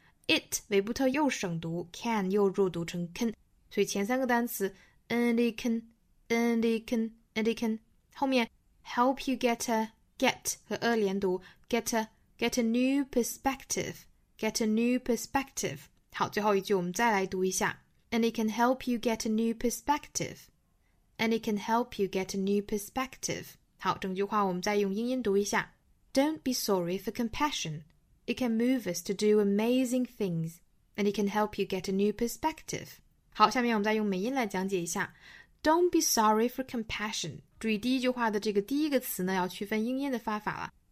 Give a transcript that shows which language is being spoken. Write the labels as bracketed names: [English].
[Chinese] It, 尾部特又省读 can 又弱读成 can. 所以前三个单词 [English] and it can, and it can, and it can. [Chinese] 后面 [English] help you get a, get [Chinese] 和 a 连读 [English] get a new perspective. Get a new perspective. [Chinese] 好最后一句我们再来读一下。 [English] And it can help you get a new perspective. And it can help you get a new perspective. [Chinese] 好整句话我们再用英音读一下。 [English] Don't be sorry for compassion. It can move us to do amazing things. And it can help you get a new perspective. [Chinese] 好下面我们再用美音来讲解一下。 [English] Don't be sorry for compassion. [Chinese] 注意第一句话的这个第一个词呢要区分英音的发法了。